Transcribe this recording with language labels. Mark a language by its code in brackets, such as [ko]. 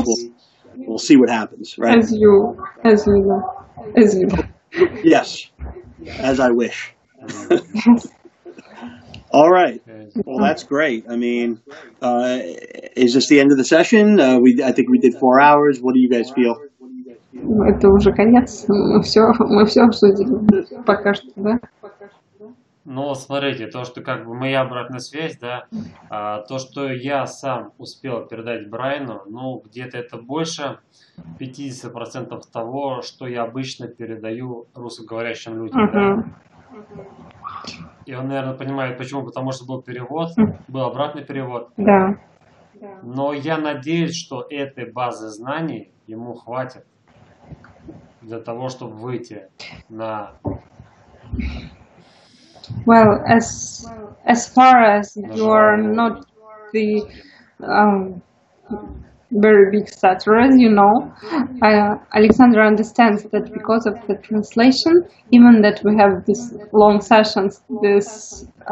[en] guess we'll see what happens, right? As you know. As you know. Yes, as I wish. All right. Well, that's great. I mean, is this the end of the session? I think we did 4 hours. What do you guys feel? [ru] Это уже конец. Мы все обсудили пока что, да? Ну, смотрите, то, что как бы моя обратная связь, да, то, что я сам успел передать Брайану, ну, где-то это больше 50% того, что я обычно передаю русскоговорящим людям, uh-huh. да. И он, наверное, понимает, почему, потому что был перевод, был обратный перевод. Да. Но я надеюсь, что этой базы знаний ему хватит для того, чтобы выйти на... [en] Well, as far as you are not the very big stutter, as you know, Alexander understands that because of the translation, even that we have these long sessions, this